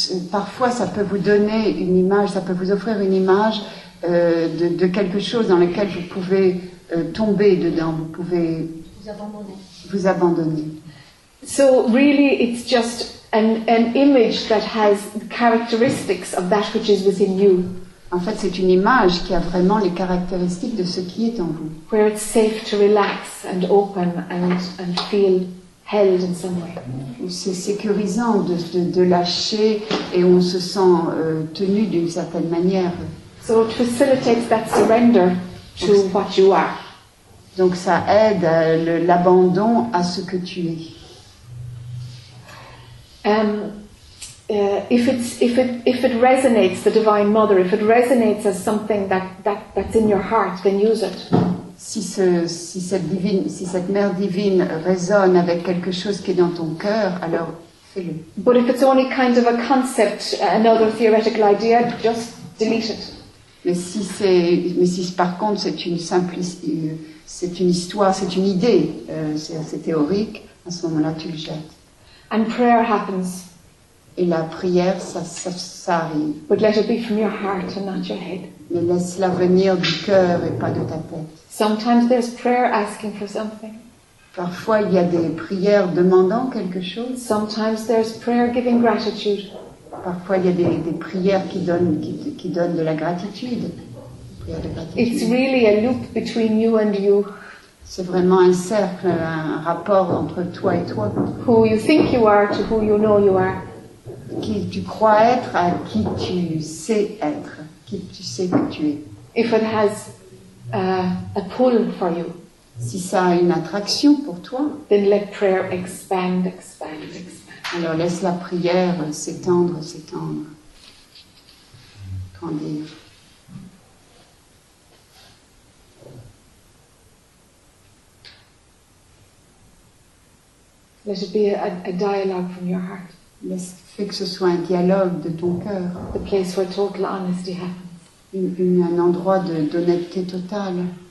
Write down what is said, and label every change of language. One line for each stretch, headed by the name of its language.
French: Parfois ça peut vous donner une image, ça peut vous offrir une image de quelque chose dans lequel vous pouvez tomber dedans, vous pouvez vous abandonner.
English: So really it's just an image that has the characteristics of that which is within you.
French: En fait, c'est une image qui a vraiment les caractéristiques de ce qui est en vous.
English: Where it's safe to relax and open and feel held in some way.
French: Où c'est sécurisant de lâcher et on se sent tenu d'une certaine manière.
English: So it facilitates that surrender to what you are.
French: Donc ça aide l'abandon à ce que tu es.
English: If it resonates, the Divine Mother, if it resonates as something that's in your heart, then use it.
French: Si cette mère divine résonne avec quelque chose qui est dans ton cœur, alors fais-le.
English: But if it's only kind of a concept, another theoretical idea, just delete it.
French: Mais si par contre c'est une simple, c'est une histoire, c'est une idée, c'est théorique, à ce moment-là tu le jettes.
English: And prayer happens.
French: Et la prière, ça arrive.
English: But let it be from your heart and not your head.
French: Mais laisse-la venir du cœur et pas de ta tête.
English: Sometimes there's prayer asking for something.
French: Parfois, il y a des prières demandant quelque chose.
English: Sometimes there's prayer giving gratitude.
French: Parfois, il y a des prières qui donnent de la gratitude.
English: It's really a loop between you and you.
French: C'est vraiment un cercle, un rapport entre toi et toi.
English: Who you think you are to who you know you are.
French: Qui tu crois être à qui tu sais être, qui tu sais que tu es.
English: If it has a pull for you.
French: Si ça a une attraction pour toi.
English: Then let prayer expand.
French: Alors laisse la prière s'étendre. Grandir.
English: Let it be a dialogue from your heart.
French: Fais que ce soit un dialogue de ton cœur.
English: The place where total honesty happens.
French: Un endroit d'honnêteté totale.